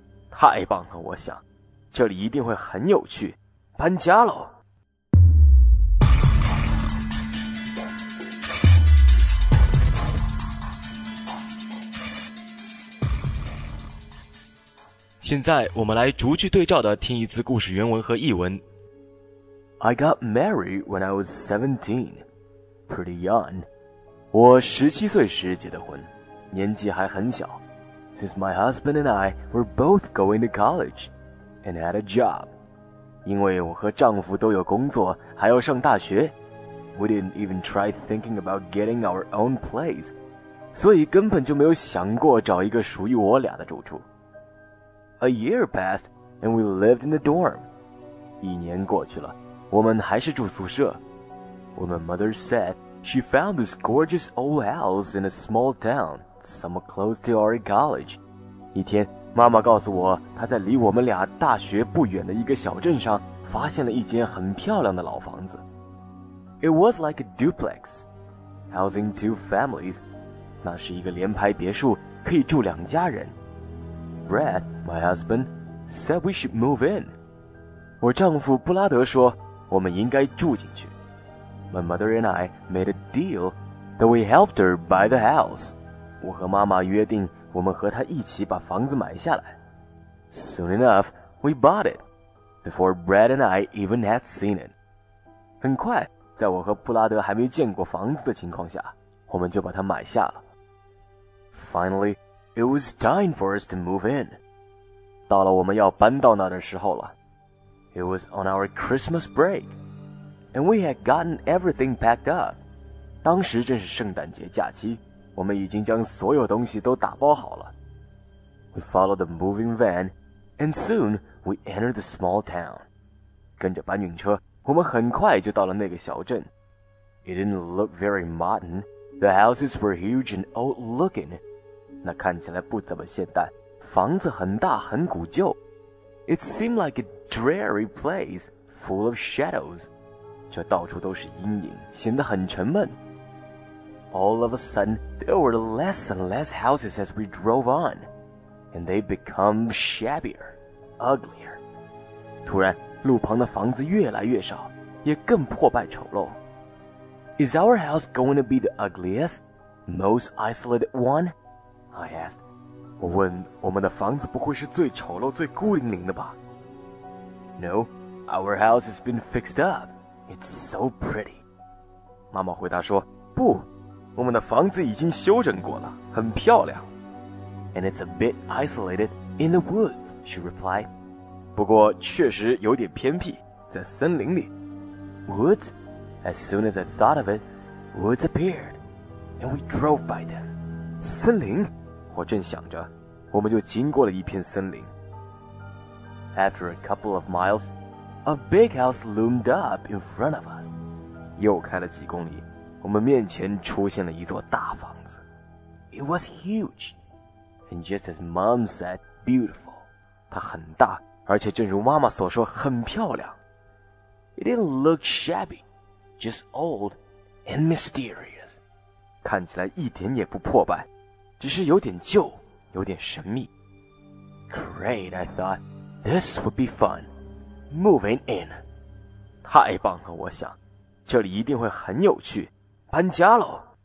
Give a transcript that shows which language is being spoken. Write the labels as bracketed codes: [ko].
[zh] 太棒了，我想，这里一定会很有趣，搬家喽。现在我们来逐句对照的听一次故事原文和译文。 [en] I got married when I was 17, pretty young. [zh] 我17岁时结的婚，年纪还很小。 [en] Since my husband and I were both going to college and had a job. [zh] 因为我和丈夫都有工作，还要上大学。 [en] We didn't even try thinking about getting our own place. [zh] 所以根本就没有想过找一个属于我俩的住处。 [en] A year passed, and we lived in the dorm. [zh] 一年过去了，我们还是住宿舍。 [en] Woman mother said she found this gorgeous old house in a small town, somewhere close to our college. [zh] 一天，妈妈告诉我，她在离我们俩大学不远的一个小镇上发现了一间很漂亮的老房子。 [en] It was like a duplex, housing two families. [zh] 那是一个连排别墅，可以住两家人。 [en] Brad, my husband, said we should move in. [zh] 我丈夫布拉德说，我们应该住进去。 [en] My mother and I made a deal that we helped her buy the house. [zh] 我和妈妈约定，我们和她一起把房子买下来。 [en] Soon enough, we bought it, before Brad and I even had seen it. [zh] 很快，在我和布拉德还没见过房子的情况下，我们就把它买下了。 [en] Finally, it was time for us to move in. [zh] 到了我们要搬到那的时候了。 [en] It was on our Christmas break. And we had gotten everything packed up. [zh] 当时正是圣诞节假期，我们已经将所有东西都打包好了。 [en] We followed the moving van, and soon we entered the small town. [zh] 跟着搬运车，我们很快就到了那个小镇。 [en] It didn't look very modern. The houses were huge and old looking. [zh] 那看起来不怎么现代，房子很大，很古旧。 [en] It seemed like a dreary place, full of shadows. [zh] 这到处都是阴影，显得很沉闷。 [en] All of a sudden, there were less and less houses as we drove on, and they become shabbier, uglier. [zh] 突然，路旁的房子越来越少，也更破败丑陋。 [en] Is our house going to be the ugliest, most isolated one? I asked. [zh] 我问，我们的房子不会是最丑陋、最孤零零的吧？ [en] No, our house has been fixed up. It's so pretty. [zh] 妈妈回答说，不，我们的房子已经修整过了，很漂亮。 [en] And it's a bit isolated in the woods, she replied. [zh] 不过确实有点偏僻，在森林里。 [en] Woods? As soon as I thought of it, woods appeared, and we drove by them. [zh] 森林？我正想着，我们就经过了一片森林。 [en] After a couple of miles,A big house loomed up in front of us. [zh] 又开了几公里，我们面前出现了一座大房子。 [en] It was huge, and just as Mom said, beautiful. [zh] 它很大，而且正如妈妈所说，很漂亮。 [en] It didn't look shabby, just old and mysterious. [zh] 看起来一点也不破败，只是有点旧，有点神秘。 [en] Great, I thought, this would be fun. Moving in. [zh] 太棒了，我想，这里一定会很有趣，搬家喽。